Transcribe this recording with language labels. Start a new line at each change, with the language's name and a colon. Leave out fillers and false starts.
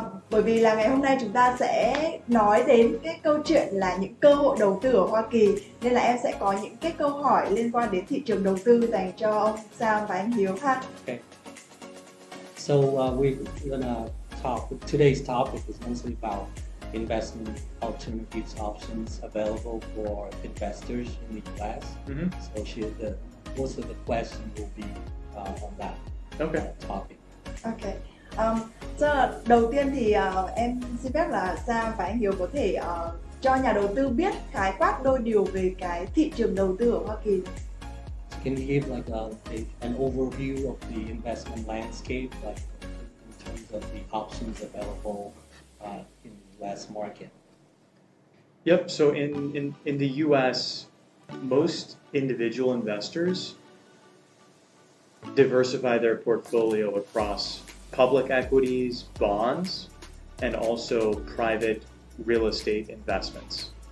Vietnamese: Bởi vì là ngày hôm nay chúng ta sẽ nói đến cái câu chuyện là những cơ hội đầu tư ở Hoa Kỳ, nên là em sẽ có những cái câu hỏi liên quan đến thị trường đầu tư dành cho ông Sam và anh Hiếu ha.
English: So we're gonna talk, today's topic is mostly about investment alternatives options available for investors in the US. Mm-hmm. So most of the questions will be on that topic. Okay.
Vietnamese: So đầu tiên thì em xin phép là Sam và anh Hiếu có thể cho nhà đầu tư biết khái quát đôi điều về cái thị trường đầu tư ở Hoa Kỳ.
English: Can give like an overview of the investment landscape, like in terms of the options available in the U.S. market. Yep. So in the U.S., most individual investors diversify their portfolio across public equities, bonds, and also private real estate investments.